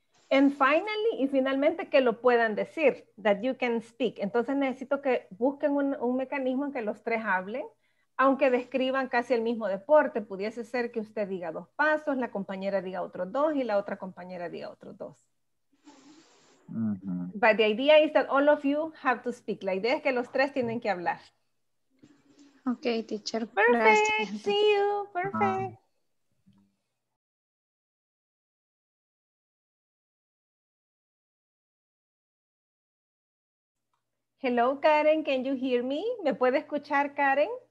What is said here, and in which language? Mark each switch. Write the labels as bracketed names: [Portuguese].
[English] And finally, [Spanish] y finalmente que lo puedan decir, [English] that you can speak. [Spanish] Entonces necesito que busquen un mecanismo en que los tres hablen, aunque describan casi el mismo deporte. Pudiese ser que usted diga dos pasos, la compañera diga otros dos y la otra compañera diga otros dos. [English] But the idea is that all of you have to speak. [Spanish] La idea es que los tres tienen que hablar. [English] Okay, teacher. Perfect. See you. Perfect. Hello, Karen, can you hear me? [Spanish] ¿Me puede escuchar, Karen?